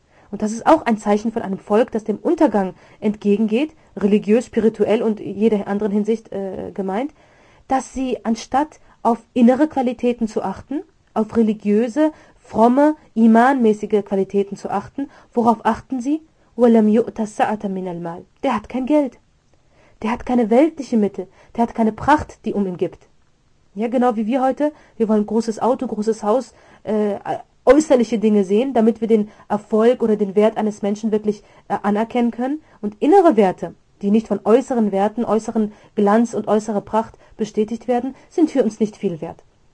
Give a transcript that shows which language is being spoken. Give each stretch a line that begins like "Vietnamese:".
German: Und das ist auch ein Zeichen von einem Volk, das dem Untergang entgegengeht, religiös, spirituell und jeder anderen Hinsicht gemeint, dass sie anstatt auf innere Qualitäten zu achten, auf religiöse, fromme, imanmäßige Qualitäten zu achten, worauf achten sie?
Arabic: وَلَمْ يُؤْتَ سَعَةً مِنَ الْمَالِ
German: Der hat kein Geld. Der hat keine weltliche Mittel. Der hat keine Pracht, die um ihn gibt. Ja, genau wie wir heute. Wir wollen großes Auto, großes Haus, äußerliche Dinge sehen, damit wir den Erfolg oder den Wert eines Menschen wirklich anerkennen können. Und innere Werte, die nicht von äußeren Werten, äußeren Glanz und äußerer Pracht bestätigt werden, sind für uns nicht viel wert.